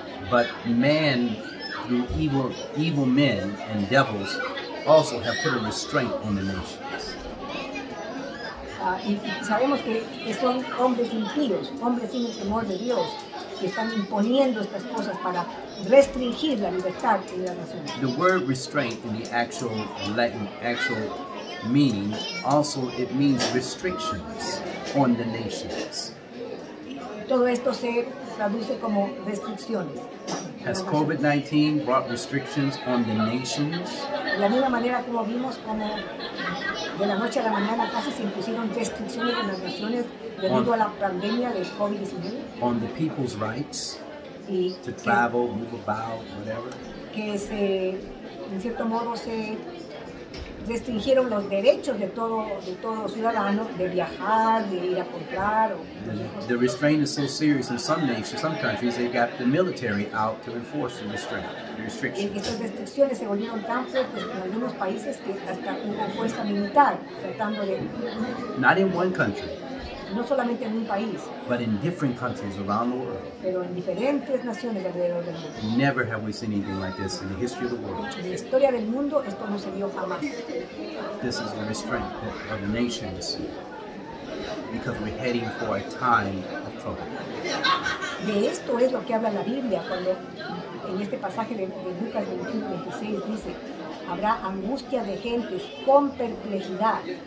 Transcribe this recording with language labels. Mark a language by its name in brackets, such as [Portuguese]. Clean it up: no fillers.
[English] But man, through evil men and devils, also have put a restraint on the nations. [Spanish] Y sabemos que son hombres impíos, hombres sin el temor de Dios, que están imponiendo estas cosas para restringir la libertad de la nación. [English] The word restraint in the actual Latin actual meaning also it means restrictions on the nations. [Spanish] Todo esto se traduce como restricciones. [English] Has COVID-19 brought restrictions on the nations? [Spanish] De la misma manera como vimos como de la noche a la mañana casi se impusieron restricciones en las naciones debido a la pandemia de COVID-19. [English] On the people's rights to travel, move about, whatever. [Spanish] Que se, en cierto modo, se restringieron los derechos de todo ciudadano de viajar, de ir a comprar. [English] The restraint is so serious in some nations, some countries, they've got the military out to enforce the restrictions. [Spanish] Estas restricciones se volvieron tan fuertes en algunos países que hasta hubo fuerza militar tratando de. [English] Not in one country. [Spanish] No solamente en un país. [English] But in different countries around the world. [Spanish] Pero en diferentes naciones alrededor del mundo. [English] Never have we seen anything like this in the history of the world. [Spanish] En la historia del mundo esto no se vio jamás. [English] This is the restraint of the nations. Because we're heading for a time of trouble. [Spanish] De esto es lo que habla la Biblia cuando en este pasaje de Lucas 21:26 dice, habrá angustia de gentes con perplejidad.